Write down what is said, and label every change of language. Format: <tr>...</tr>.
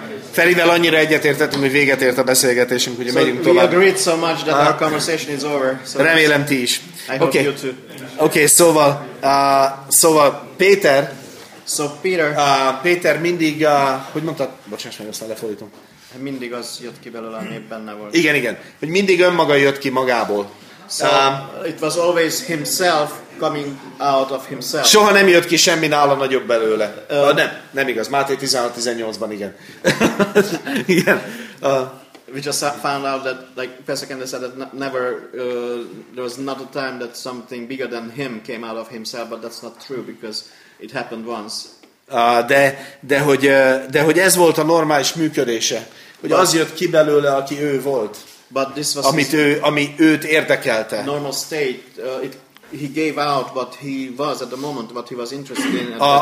<hu>Ferivel annyira egyetértettünk, hogy véget ért a beszélgetésünk, hogy megyünk tovább.</hu> <en>We agreed so much that our conversation is over. So</en> <hu>remélem ti is.</hu> <en>I hope okay. You too.</en> <hu>Okay, szóval Péter.</hu> <en>So Peter.</en> <hu>Péter mindig, hogy mondtad? Bocsáss meg, aztán lefordítom. Mindig az jött ki belőle, ami benne volt. Igen. Hogy mindig önmaga jött ki magából.</hu> <en>So, it was always himself coming out of himself.</en> <hu>Soha nem jött ki semmi nála nagyobb belőle. Nem igaz. Máté 16:18-ban igen. Igen.</hu> <en>We just found out that, like Pastor Kendi said, that never there was not a time that something bigger than him came out of himself, but that's not true because it happened once.</en> <hu>De hogy ez volt a normális működése, hogy az jött ki belőle, aki ő volt, ami őt érdekelte.</hu> <en>Normal state, he gave out what he was at the moment, what he was interested in.</en>